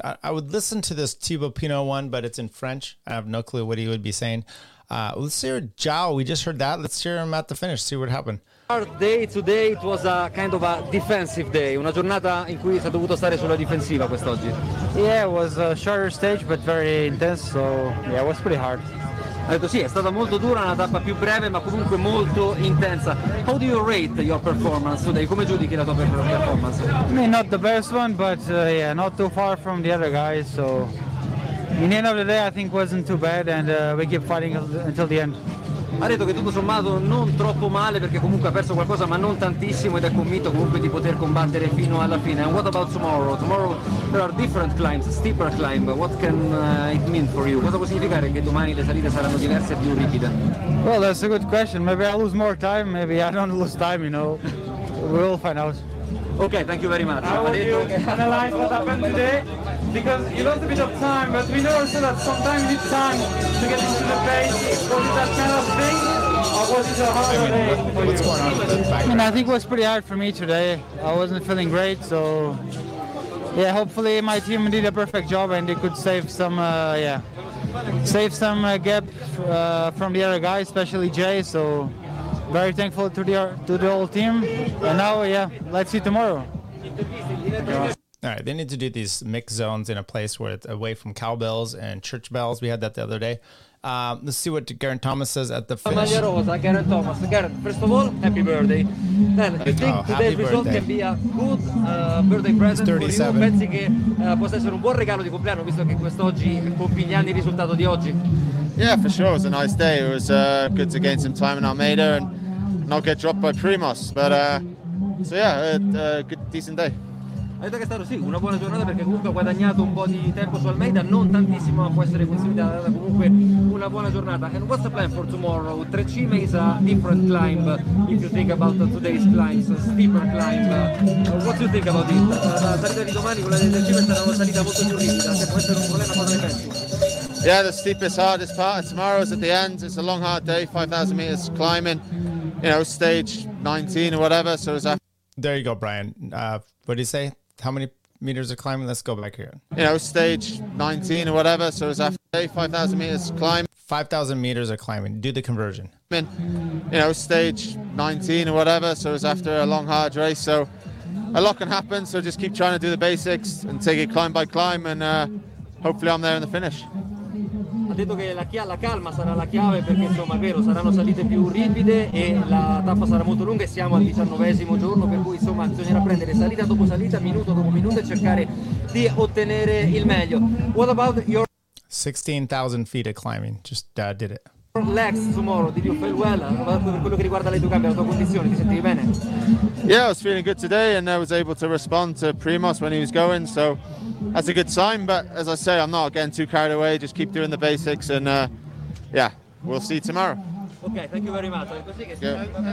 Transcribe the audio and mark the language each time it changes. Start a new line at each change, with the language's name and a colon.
English: I would listen to this Thibaut Pinot one, but it's in French. I have no clue what he would be saying. Let's hear João. We just heard that. Let's hear him at the finish, see what happened. Hard day today. It was a kind of a defensive day.
Italian: Una giornata in cui si è dovuto stare sulla difensiva quest'oggi.
English: Yeah, it was a shorter stage, but very intense. So, yeah, it was pretty hard.
Italian: Ha detto sì, è stata molto dura, una tappa più breve, ma comunque molto intensa.
English: How do you rate your performance today?
Italian: Come giudichi la tua performance?
English: I mean, not the best one, but yeah, not too far from the other guys. So, in the end of the day, I think wasn't too bad, and we keep fighting until the end.
Italian: Ha detto che tutto sommato non troppo male, perché comunque ha perso qualcosa, ma non tantissimo, ed è convinto comunque di poter combattere fino alla fine.
English: And what about tomorrow? Tomorrow there are different climbs, steeper climb. What can it mean for you?
Italian: Cosa può significare che domani le salite saranno diverse e più ripide?
English: Well, that's a good question. Maybe I lose more time, maybe I don't lose time, you know. We'll find out. Okay, thank you very much. How would you analyze what happened today? Because you lost a bit of time, but we know also that sometimes it's time to get into the pace. Was it that kind of thing? Or was it a harder day for what's you? Going on with the I mean, I think it was pretty hard for me today. I wasn't feeling great, so yeah, hopefully my team did a perfect job and they could save some, gap from the other guy, especially Jay, so very thankful to the whole team. And now, yeah, let's see tomorrow. All right, they need to do these mix zones in a place where it's away from cowbells and church bells. We had that the other day. Let's see what Geraint Thomas says at the finish. Maglia rosa, Geraint Thomas. Geraint, first of all, happy birthday. Then, I think today's result can be a good birthday present. It's 37.
Italian: Pensi che possa essere un buon regalo di compleanno, visto che quest'oggi compie gli anni il risultato di oggi?
English: Yeah, for sure. It was a nice day. It was good to gain some time in Almeida and not get dropped by Primoz. But good, decent day.
Italian: Ha detto che è stato sì, una buona giornata, perché comunque ha guadagnato un po' di tempo su Almeida, non tantissimo, ma può essere considerata comunque una buona giornata.
English: And what's the plan for tomorrow? Tre cime is a different climb, if you think about today's climb, so steeper climb. What do you think about it?
Italian: La salita di domani, quella delle tre cime, sarà una salita molto più ripida, se può essere un problema, cosa ne pensi?
English: Yeah, the steepest, hardest part of tomorrow is at the end. It's a long, hard day, 5,000 meters climbing, you know, stage 19 or whatever. So it's there you go, Brian. What do you say? How many meters of climbing? Let's go back here. You know, stage 19 or whatever. So it's after day, 5,000 meters climbing. 5,000 meters of climbing. Do the conversion. You know, stage 19 or whatever. So it's after a long, hard race. So a lot can happen. So just keep trying to do the basics and take it climb by climb. And hopefully I'm there in the finish.
Italian: Ha detto che la calma sarà la chiave, perché insomma è vero, saranno salite più ripide e la tappa sarà molto lunga, e siamo al 19° giorno, per cui insomma bisognerà prendere salita dopo salita, minuto dopo minuto, e cercare di ottenere il meglio.
English: What about your 16,000 feet of climbing, just did it. Legs tomorrow, did you feel well?
Italian: Per quello che riguarda le tue gambe, la tua condizione, ti sentivi bene?
English: Yeah, I was feeling good today and I was able to respond to Primoz when he was going, so that's a good sign, but as I say, I'm not getting too carried away. Just keep doing the basics and we'll see you tomorrow. Okay, thank you very much. Yeah.